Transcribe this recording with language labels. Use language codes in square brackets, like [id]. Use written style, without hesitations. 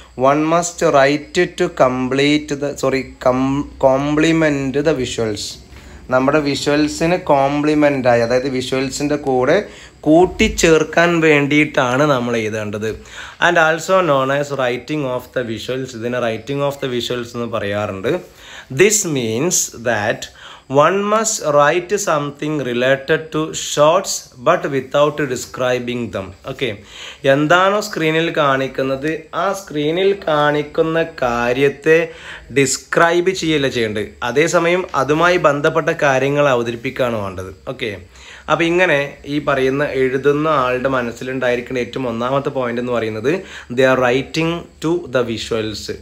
[en] One must write to complete the sorry compliment the visuals. [ml] നമ്മുടെ വിഷ്വൽസിന് കോംപ്ലിമെൻ്റായി, അതായത് വിഷ്വൽസിൻ്റെ കൂടെ കൂട്ടിച്ചേർക്കാൻ വേണ്ടിയിട്ടാണ് നമ്മൾ എഴുതേണ്ടത്. [en] And also known as writing of the visuals. [ml] ഇതിനെ റൈറ്റിംഗ് ഓഫ് ദ വിഷ്വൽസ് എന്ന് പറയാറുണ്ട്. [en] This means that One must write something related to shots but without describing them. Okay. [ml] എന്താണോ സ്ക്രീനിൽ കാണിക്കുന്നത് ആ സ്ക്രീനിൽ കാണിക്കുന്ന കാര്യത്തെ ഡിസ്ക്രൈബ് ചെയ്യല്ല ചെയ്യേണ്ടത്, അതേസമയം അതുമായി ബന്ധപ്പെട്ട കാര്യങ്ങൾ അവതരിപ്പിക്കുകയാണ് വേണ്ടത്. ഓക്കെ. അപ്പോൾ ഇങ്ങനെ ഈ പറയുന്ന എഴുതുന്ന ആളുടെ മനസ്സിലുണ്ടായിരിക്കേണ്ട ഏറ്റവും ഒന്നാമത്തെ പോയിൻ്റ് എന്ന് പറയുന്നത് [en] They are writing to the visuals.